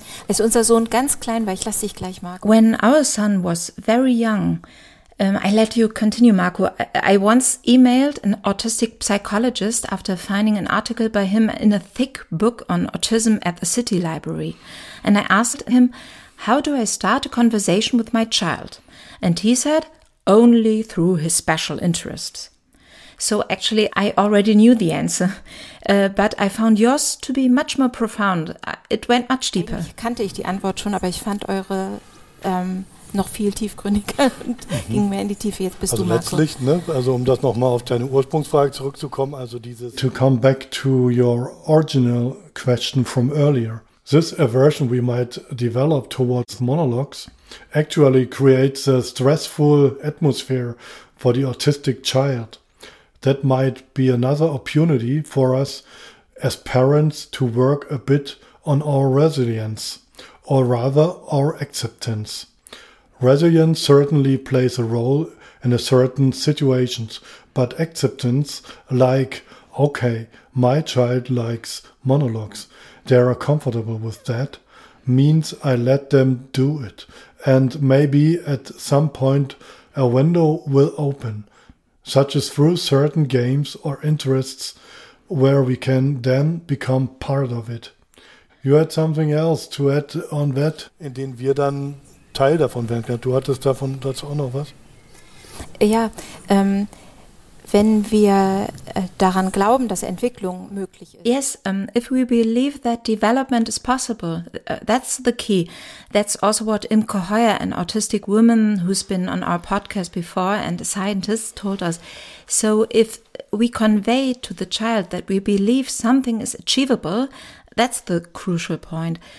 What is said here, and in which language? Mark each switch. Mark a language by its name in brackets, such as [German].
[German] Als unser Sohn ganz klein war, ich lasse dich gleich, Marco. [English] When our son was very young, I let you continue, Marco. I once emailed an autistic psychologist after finding an article by him in a thick book on autism at the city library. And I asked him, how do I start a conversation with my child? And he said, only through his special interests. So actually, I already knew the answer. But I found yours to be much more profound. It went much deeper. [German] Eigentlich kannte ich die Antwort schon, aber ich fand eure noch viel tiefgründiger und ging mehr in die Tiefe. Jetzt bist also du, Marco. Letztlich, ne? Also um das nochmal auf deine Ursprungsfrage zurückzukommen, also dieses... [English] To come back to your original question from earlier. This aversion we might develop towards monologues actually creates a stressful atmosphere for the autistic child. That might be another opportunity for us as parents to work a bit on our resilience, or rather our acceptance. Resilience certainly plays a role in a certain situations, but acceptance, like, okay, my child likes monologues, they are comfortable with that, means I let them do it. And maybe at some point a window will open, such as through certain games or interests where we can then become part of it. You had something else to add on that? [German] In den wir dann Teil davon werden. Du hattest davon dazu auch noch was? Ja, wenn wir daran glauben, dass Entwicklung möglich ist. [English] Yes, if we believe that development is possible, that's the key. That's also what Imke Heuer, an autistic woman who's been on our podcast before and a scientist, told us. So if we convey to the child that we believe something is achievable, that's the crucial point.